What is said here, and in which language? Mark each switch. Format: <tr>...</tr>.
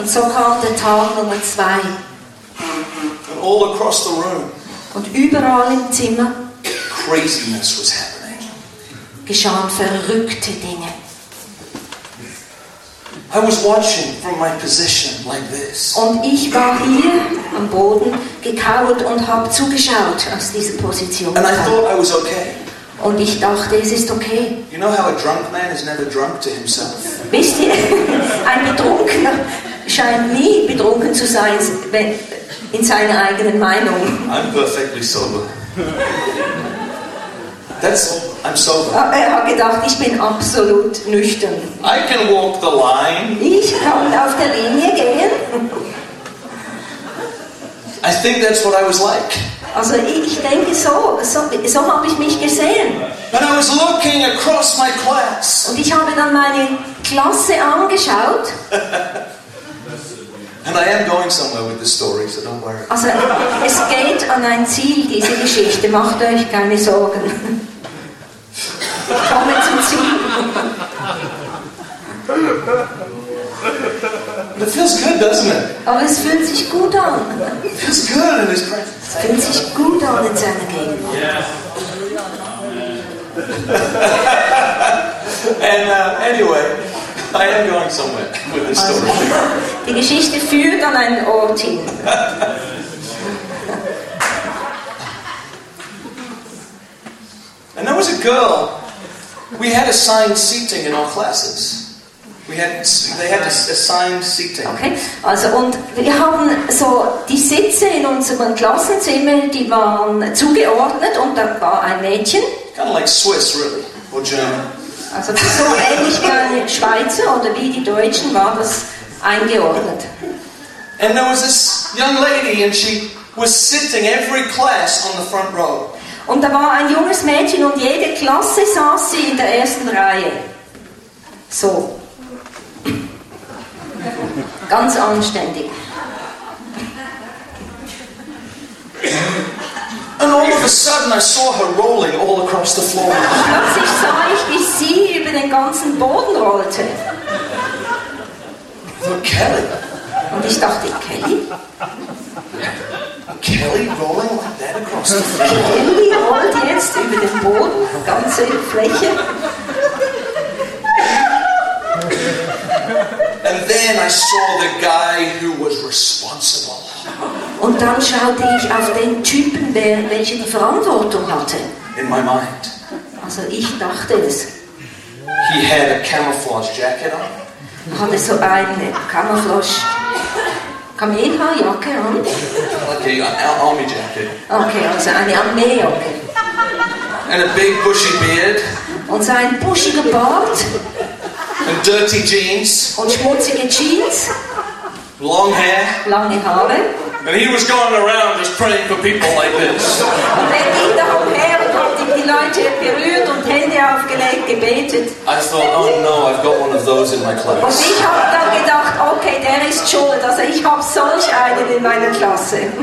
<de>Und so kam der Tag Nummer zwei.</de> <en>And all across the room.</en> <de>Und überall im Zimmer.</de> <en>Craziness was happening.</en> <de>Geschahen verrückte Dinge.</de> <en>I was watching from my position like this.</en> <de>Und ich war hier am Boden gekauert und habe zugeschaut aus dieser Position.</de> <en>And I thought I was okay.</en> <de>Und ich dachte, es ist okay.</de> <en>You know how a drunk man is never drunk to himself.</en> <de>Wisst ihr, ein Betrunkener scheint nie betrunken zu sein in seiner eigenen Meinung.</de> <en>I'm perfectly sober. That's I'm sober.</en> <de>Er hat gedacht, ich bin absolut nüchtern.</de> <en>I can walk the line.</en> <de>Ich kann auf der Linie gehen.</de> <en>I think that's what I was like.</en> <de>Also ich denke so habe ich mich gesehen.</de> <en>And I was looking across my class.</en> <de>Und ich habe dann meine Klasse angeschaut.</de> <en>And I am going somewhere with the story, so don't worry.</en> <de>Also es geht an ein Ziel, diese Geschichte. Macht euch keine Sorgen. Kommen zum Ziel.</de> <en>It feels good, doesn't it?</en> <de>Aber es fühlt sich gut an.</de> <en>It feels good in his presence.</en> <de>Fühlt sich gut an in seiner Gegenwart.</de> <en>Yeah. And anyway, I am going somewhere with this story.</en> <de>Die Geschichte führt an einen Ort hin.</de> <en>And there was a girl. We had assigned seating in our classes. They had assigned seating. Okay.</en> <de>Also und wir haben so die Sitze in unserem Klassenzimmer, die waren zugeordnet und da war ein Mädchen.</de> <en>Kind of like Swiss, really, or German.</en> <de>Also so ähnlich wie die Schweizer oder wie die Deutschen war das eingeordnet.</de> <en>And there was this young lady, and she was sitting every class on the front row.</en> <de>Und da war ein junges Mädchen und jede Klasse saß sie in der ersten Reihe.</de> <en>So.</en> <de>Ganz anständig.</de> <en>And all of a sudden I saw her rolling all across the floor.</en> <de>Plötzlich sah ich, wie sie über den ganzen Boden rollte.</de> <en>For Kelly.</en> <de>Und ich dachte, Kelly?</de> <en>Kelly rolling like that across the floor.</en> <de>Kelly rollt jetzt über den Boden, ganze Fläche.</de> <en>And then I saw the guy who was responsible.</en> <de>Und dann schaute ich auf den Typen, welcher die Verantwortung hatte.</de> <en>In my mind.</en> <de>Also ich dachte es.</de> <en>He had a camouflage jacket on.</en> <de>Hatte so eine Camouflage. Kamelhaarjacke an.</de> <en>Okay, an army jacket.</en> <de>Okay, also eine Armeejacke.</de> <en>And a big bushy beard.</en> <de>Und so ein buschiger Bart.</de> <en>And dirty jeans.</en> <de>Und schmutzige Jeans.</de> <en>Long hair.</en> <de>Lange Haare.</de> <en>And he was going around just praying for people like this.</en> <de>Und er ging da umher und hat die Leute berührt und Hände aufgelegt, gebetet.</de> <en>I thought, oh no, I've got one of those in my class.</en> <de>Und ich habe dann gedacht, okay, der ist schuld, also ich habe solch einen in meiner Klasse.</de>